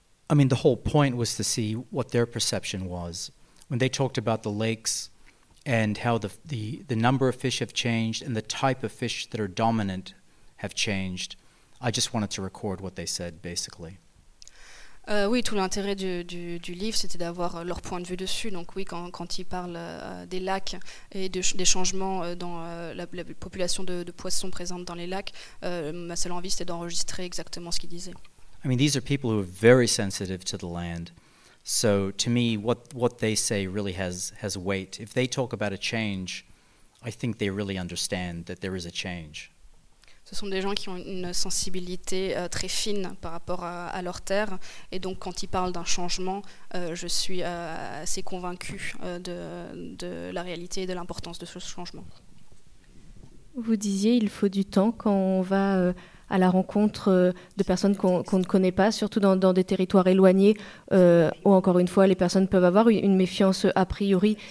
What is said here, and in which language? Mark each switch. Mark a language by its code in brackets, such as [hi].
[en] I mean, the whole point was to see what their perception was. When they talked about the lakes and how the number of fish have changed and the type of fish that are dominant have changed, I just wanted to record what they said, basically. [fr] Oui, tout l'intérêt du livre, c'était d'avoir leur point de vue dessus. Donc oui, quand ils parlent des lacs et des changements dans la population de poissons présentes dans les lacs, ma seule envie, c'était d'enregistrer exactement ce qu'ils disaient. [en] I mean, these are people who are very sensitive to the land. So to me, what they say really has weight. If they talk about a change, I think they really understand that there is a change. [fr] Ce sont des gens qui ont une sensibilité très fine par rapport à leur terre. Et donc, quand ils parlent d'un changement, je suis assez convaincue de la réalité et de l'importance de ce changement. Vous disiez qu'il faut du temps quand on va à la rencontre de personnes qu'on ne connaît pas, surtout dans des territoires éloignés, où encore une fois, les personnes peuvent avoir une méfiance a priori.